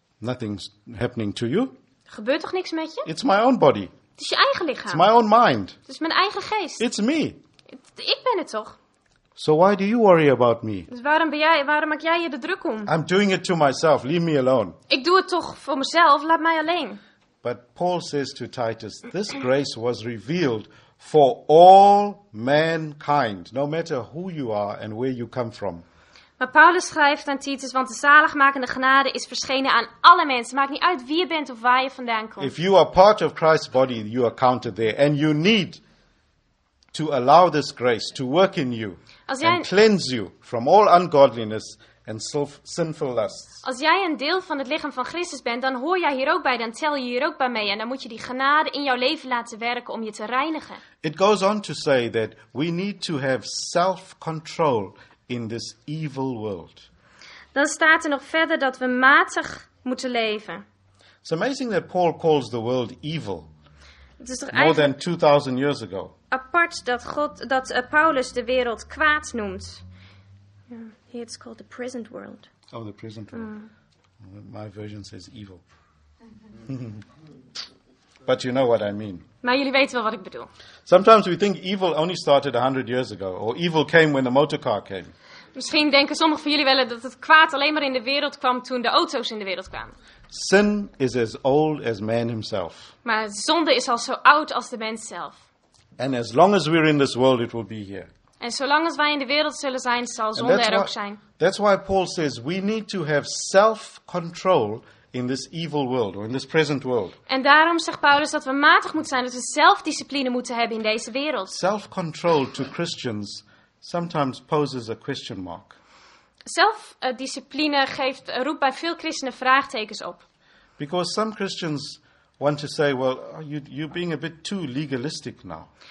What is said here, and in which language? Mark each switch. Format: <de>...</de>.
<en>Nothing's happening to you.</en> <nl>Gebeurt toch niks met je?</nl> <en>It's my own body.</en> <nl>Het is je eigen lichaam.</nl> <en>It's my own mind.</en> <nl>Het is mijn eigen geest.</nl> <en>It's me.</en> <nl>Ik ben het toch?</nl> <en>So why do you worry about me?</en> <nl>Dus waarom maak jij je de druk om?</nl> <en>I'm doing it to myself. Leave me alone.</en> <nl>Ik doe het toch voor mezelf. Laat mij alleen.</nl> <en>But Paul says to Titus, this grace was revealed for all mankind, no matter who you are and where you come from.</en> <nl>Maar Paulus schrijft aan Titus, want de zaligmakende genade is verschenen aan alle mensen. Maakt niet uit wie je bent of waar je vandaan komt.</nl> <en>If you are part of Christ's body, you are counted there, and you need to allow this grace to work in you.</en> <nl>Als jij,</nl> <en>and cleanse you from all ungodliness and sinful lusts.</en> <nl>Als jij een deel van het lichaam van Christus bent, dan hoor jij hier ook bij, dan tel je hier ook bij mee. En dan moet je die genade in jouw leven laten werken om je te reinigen.</nl> <en>It goes on to say that we need to have self-control in this evil world.</en> <nl>Dan staat er nog verder dat we matig moeten leven.</nl> <en>It's amazing that Paul calls the world evil.</en> <nl>Het is toch</nl> <en>more than 2000 years ago.</en> <nl>Apart dat God, dat Paulus de wereld kwaad noemt.</nl> <en>Here it's called the prison world. Oh, the prison world. My version says evil. But you know what I mean.</en> <nl>Maar jullie weten wel wat ik bedoel.</nl> <en>Sometimes we think evil only started 100 years ago, or evil came when the motor car came.</en> <nl>Misschien denken sommigen van jullie wel dat het kwaad alleen maar in de wereld kwam toen de auto's in de wereld kwamen.</nl> <en>Sin is as old as man himself.</en> <nl>Maar zonde is al zo oud als de mens zelf.</nl> <en>And as long as we're in this world, it will be here.</en> <nl>En zolang als wij in de wereld zullen zijn, zal zonde er ook zijn.</nl> <en>That's why Paul says we need to have self-control in this evil world or in this present world.</en> <nl>En daarom zegt Paulus dat we matig moeten zijn, dat we zelfdiscipline moeten hebben in deze wereld.</nl> <en>Self-control to Christians sometimes poses a question mark.</en> <nl>Zelfdiscipline roept bij veel christenen vraagtekens op.</nl> <en>Because some Christians want to say, well, you're being a bit too legalistic now.</en>